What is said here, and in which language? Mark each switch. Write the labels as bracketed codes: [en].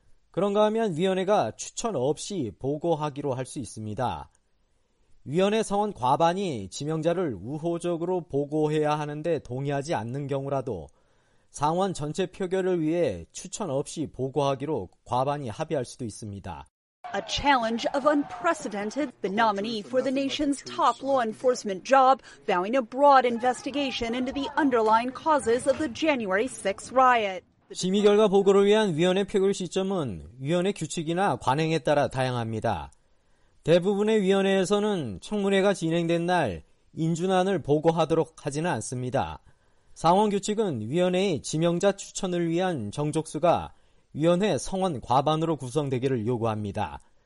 [ko] 그런가 하면 위원회가 추천 없이 보고하기로 할 수 있습니다. 위원회 성원 과반이 지명자를 우호적으로 보고해야 하는데 동의하지 않는 경우라도 상원 전체 표결을 위해 추천 없이 보고하기로 과반이 합의할 수도 있습니다. [en] A challenge of unprecedented. The nominee for the nation's top law enforcement job vowing a broad investigation into the underlying causes of the January 6 riot. [ko] 심의 결과 보고를 위한 위원회 표결 시점은 위원회 규칙이나 관행에 따라 다양합니다. 대부분의 위원회에서는 청문회가 진행된 날 인준안을 보고하도록 하지는 않습니다. 상원 규칙은 위원회의 지명자 추천을 위한 정족수가 위원회 성원 과반으로 구성되기를 요구합니다.